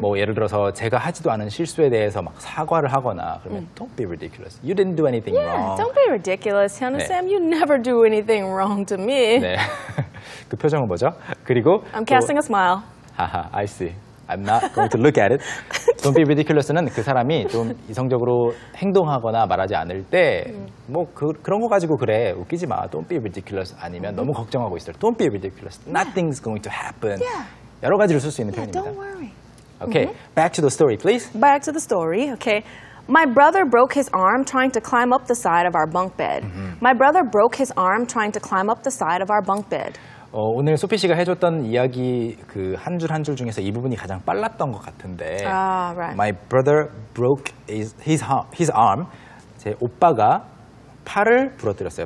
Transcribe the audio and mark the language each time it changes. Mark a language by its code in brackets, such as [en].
[ko] 뭐 예를 들어서 제가 하지도 않은 실수에 대해서 막 사과를 하거나 그러면 mm. [en] don't be ridiculous. You didn't do anything yeah, wrong. Yeah, don't be ridiculous, Hannah 네. Sam. You never do anything wrong to me. [ko] 네. 그 표정은 뭐죠? 그리고 [en] I'm casting 또, a smile. [ko] 하하, [en] I see. I'm not going to look at it. [ko] Don't be ridiculous는 그 사람이 좀 이성적으로 행동하거나 말하지 않을 때 뭐 그런 거 가지고 그래 웃기지 마. [en] Don't be ridiculous [ko] 아니면 너무 걱정하고 있을 때 [en] Don't be ridiculous. Nothing's going to happen. Yeah. [ko] 여러 가지를 쓸 수 있는 [en] yeah, [ko] 표현입니다. [en] Don't worry. Okay. Mm-hmm. Back to the story, please. Back to the story. Okay. My brother broke his arm trying to climb up the side of our bunk bed. Mm-hmm. My brother broke his arm trying to climb up the side of our bunk bed. [ko] 어, 오늘 소피 씨가 해줬던 이야기 그 한 줄 한 줄 중에서 이 부분이 가장 빨랐던 것 같은데 [en] right. My brother broke his arm. [ko] 제 오빠가 팔을 부러뜨렸어요.